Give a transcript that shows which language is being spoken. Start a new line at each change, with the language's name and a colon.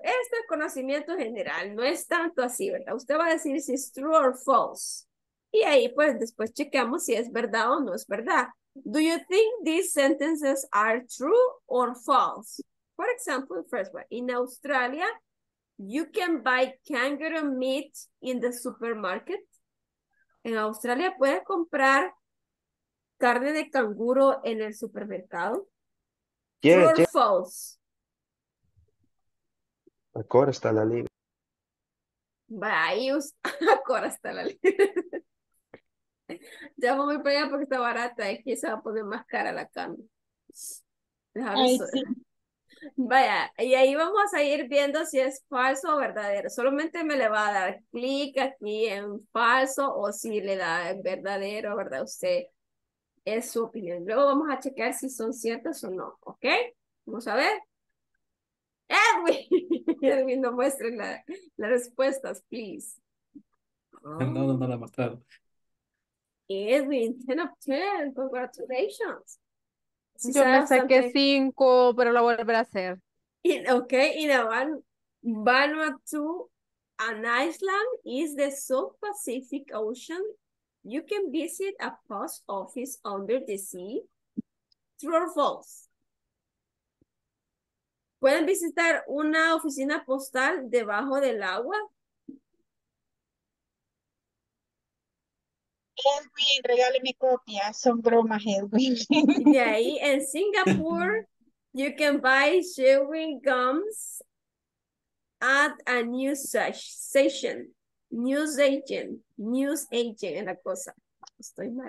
Spanish: Esto es conocimiento general, no es tanto así, ¿verdad? Usted va a decir si es
English: true or false.
Spanish: Y ahí, pues, después chequeamos si es verdad o no es verdad.
English: Do you think these sentences are true or false? For example, first one. In Australia, you can buy kangaroo meat in the supermarket.
Spanish: ¿En Australia puedes comprar carne de canguro en el supermercado?
English: Yeah, true or yeah. False?
Spanish: Acora está la libre. Vayus, acora está la libre. Ya voy para allá porque está barata, es que se va a poner más cara la carne. Vaya, y ahí vamos a ir viendo si es falso o verdadero. Solamente me le va a dar clic aquí en falso o si le da en verdadero, ¿verdad? Usted es su opinión. Luego vamos a chequear si son ciertas o no, ¿ok? Vamos a ver. Edwin, no muestren las respuestas, please. No la mataron.
English: Edwin, 10 of 10, congratulations.
Spanish: Si yo me saqué 5, pero lo volveré a hacer.
English: Ok, in Vanuatu an island is the South Pacific Ocean. You can visit a post office under the sea. True or false?
Spanish: ¿Pueden visitar una oficina postal debajo del agua? Edwin, regale mi copia. Son bromas, Edwin. Y ahí, en Singapur,
English: you can buy chewing gums at a news agent,
Spanish: en la cosa. Estoy mal.